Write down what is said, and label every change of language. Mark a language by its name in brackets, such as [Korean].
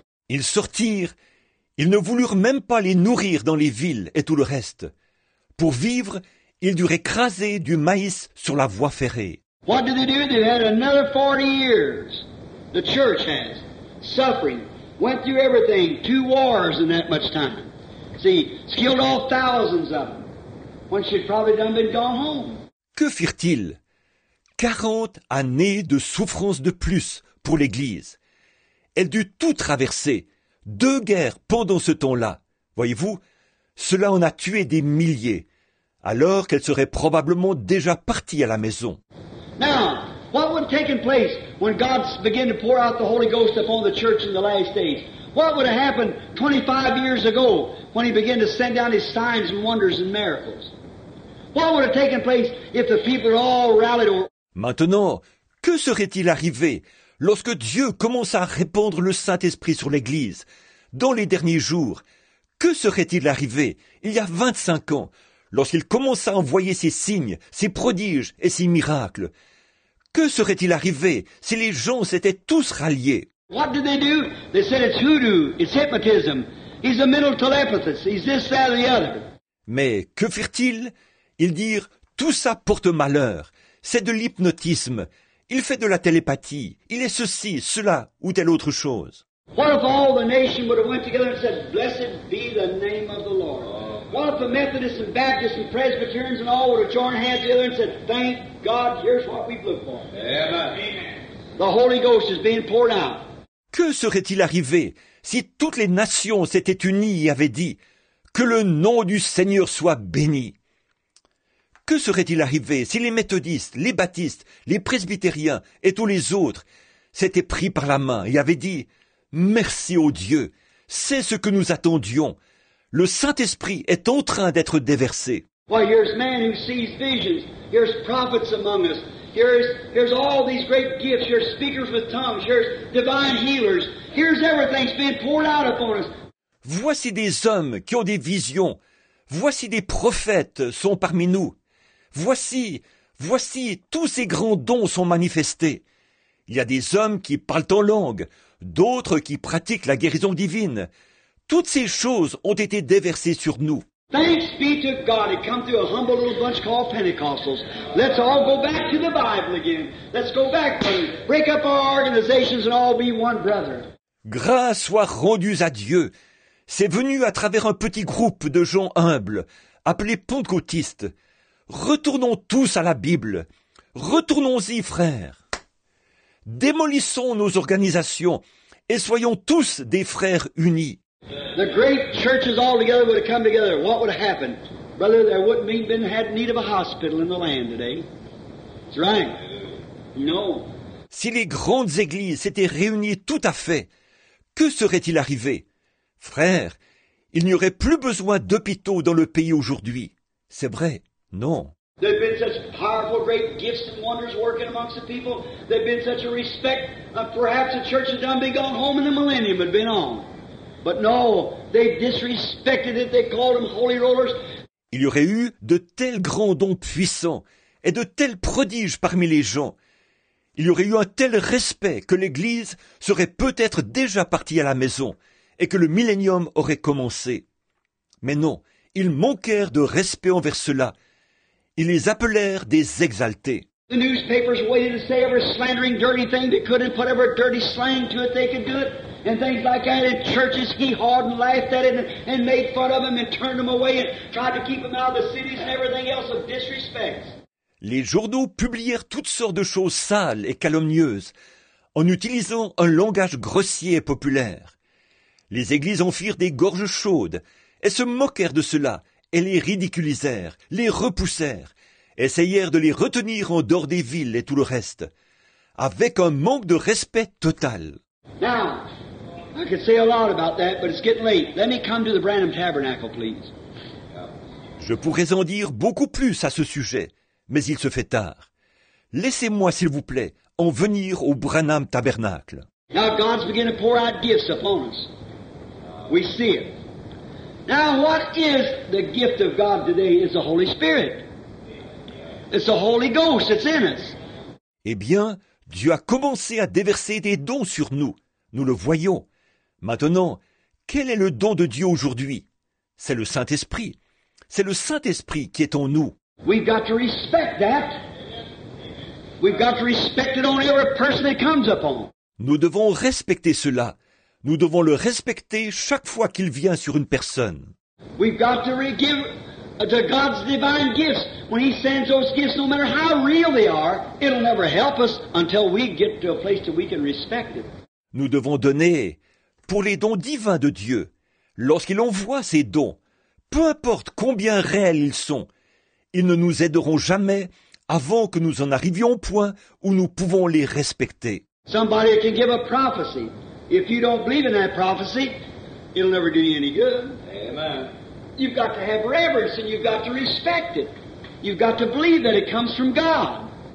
[French] Ils sortirent, ils ne voulurent même pas les nourrir dans les villes et tout le reste. Pour vivre, ils durent écraser du maïs sur la voie ferrée. [English] What did they do? They had another 40 years. The church has suffering, went through everything, two wars in that much time. See, killed all thousands of them. When she'd probably done been gone home. [French] Que firent-ils? 40 années de souffrance de plus pour l'Église. Elle dut tout traverser. Deux guerres pendant ce temps-là. Voyez-vous? Cela en a tué des milliers, alors qu'elle serait probablement déjà partie à la maison. [English] Now, what would have taken place when God began to pour out the Holy Ghost upon the church in the last days? What would have happened 25 years ago when he began to send down his signs and wonders and miracles? What would have taken place if the people had all rallied over? [French] Maintenant, que serait-il arrivé lorsque Dieu commença à répandre le Saint-Esprit sur l'Église dans les derniers jours? Que serait-il arrivé il y a 25 ans, lorsqu'il commença à envoyer ses signes, ses prodiges et ses miracles? Que serait-il arrivé si les gens s'étaient tous ralliés? [English] What did they do? They said it's hoodoo, it's hypnotism, he's a mental telepathist, he's this, that, or the other. [French] Mais que firent-ils? Ils dirent, tout ça porte malheur, c'est de l'hypnotisme, il fait de la télépathie, il est ceci, cela ou telle autre chose. [English] What if all the nation would have went together and said, blessed be the name of the Lord? What if the Methodists and Baptists and Presbyterians and all would have joined hands together and said, thank God, here's what we've looked for. Amen. The Holy Ghost is being poured out. [French] Que serait-il arrivé si toutes les nations s'étaient unies et avaient dit, que le nom du Seigneur soit béni? Que serait-il arrivé si les Méthodistes, les Baptistes, les Presbytériens et tous les autres s'étaient pris par la main et avaient dit, merci au Dieu, c'est ce que nous attendions. Le Saint-Esprit est en train d'être déversé. [English] Well, here's man who sees visions. Here's prophets among us. Here's all these great gifts. Here's speakers with tongues. Here's divine healers. Here's everything's being poured out upon us. [French] Voici des hommes qui ont des visions. Voici des prophètes sont parmi nous. Voici tous ces grands dons sont manifestés. Il y a des hommes qui parlent en langue. D'autres qui pratiquent la guérison divine. Toutes ces choses ont été déversées sur nous. [English] Thanks be to God, it come through a humble little bunch called Pentecostals. Let's all go back to the Bible again. Let's go back to it. Break up our organizations and all be one brother. [French] Grâce soit rendue à Dieu. C'est venu à travers un petit groupe de gens humbles, appelés pentecôtistes. Retournons tous à la Bible. Retournons-y, frères. Démolissons nos organisations et soyons tous des frères unis. [English] The great churches all together would have come together. What would have happened? Brother, there wouldn't have been had need of a hospital in the land today. That's right. No. [French] Si les grandes églises s'étaient réunies tout à fait, que serait-il arrivé? Frères, il n'y aurait plus besoin d'hôpitaux dans le pays aujourd'hui. C'est vrai, non. [English] There have been such powerful, great gifts and wonders working amongst the people. There have been such a respect. Perhaps the church had done been gone home in the millennium had been on. But no, they disrespected it. They called them holy rollers. [French] Il y aurait eu de tels grands dons puissants et de tels prodiges parmi les gens. Il y aurait eu un tel respect que l'Église serait peut-être déjà partie à la maison et que le millénium aurait commencé. Mais non, ils manquèrent de respect envers cela. Ils les appelèrent des exaltés. [English] The newspapers waited to say every slandering dirty thing they could and put every dirty slang to it they could do it. And things like that in churches he hawed and laughed at it and made fun of them and turned them away and tried to keep them out of the cities and everything else of disrespect. [French] Les journaux publièrent toutes sortes de choses sales et calomnieuses en utilisant un langage grossier et populaire. Les églises en firent des gorges chaudes et se moquèrent de cela et les ridiculisèrent, les repoussèrent, essayèrent de les retenir en dehors des villes et tout le reste, avec un manque de respect total. [English] Now, I could say a lot about that, but it's getting late. Let me come to the Branham Tabernacle, please. [French] Je pourrais en dire beaucoup plus à ce sujet. Mais il se fait tard. Laissez-moi, s'il vous plaît, en venir au Branham Tabernacle. [English] Now God's beginning to pour out gifts upon us. We see it. Now what is the gift of God today? It's the Holy Spirit. It's the Holy Ghost that's in us. [French] Eh bien, Dieu a commencé à déverser des dons sur nous. Nous le voyons. Maintenant, quel est le don de Dieu aujourd'hui? C'est le Saint-Esprit. C'est le Saint-Esprit qui est en nous. [English] We've got to respect that. We've got to respect it on every person that comes upon. [French] Nous devons respecter cela. Nous devons le respecter chaque fois qu'il vient sur une personne. [English] We've got to give to God's divine gifts. When He sends those gifts, no matter how real they are, it'll never help us until we get to a place that we can respect it. [French] Nous devons donner pour les dons divins de Dieu. Lorsqu'il envoie ces dons, peu importe combien réels ils sont, ils ne nous aideront jamais avant que nous en arrivions au point où nous pouvons les respecter. [English] Somebody can give a prophecy. If you don't believe in that prophecy, it'll never do you any good. Amen. You've got to have reverence and you've got to respect it. You've got to believe that it comes from God.